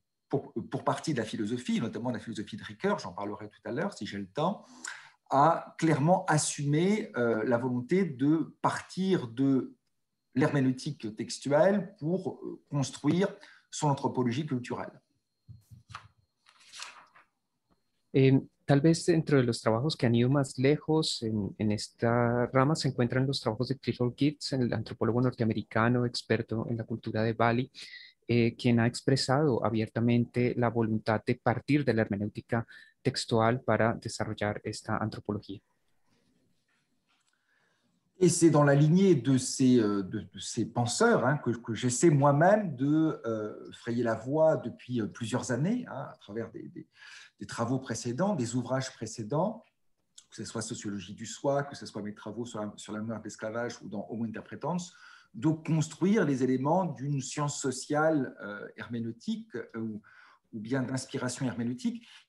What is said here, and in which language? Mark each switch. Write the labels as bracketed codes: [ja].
[fr] pour partie de la philosophie, notamment de la philosophie de Ricoeur, j'en parlerai tout à l'heure si j'ai le temps, a clairement assumé la volonté de partir de l'herméneutique textuelle pour construire son anthropologie culturelle. [es] Et tal vez entre los trabajos que han ido más lejos en esta rama se encuentran los trabajos de Clifford Geertz, el antropólogo norteamericano experto en la cultura de Bali, quien ha expresado abiertamente la voluntad de partir de la hermenéutica textual para desarrollar esta antropología. [fr] Et c'est dans la lignée de ces penseurs hein, que j'essaie moi-même de frayer la voie depuis plusieurs années, hein, à travers des travaux précédents, des ouvrages précédents, que ce soit sociologie du soi, que ce soit mes travaux sur la mémoire de l'esclavage ou dans Homo Interpretans, de construire les éléments d'une science sociale herméneutique ou bien d'inspiration herméneutique.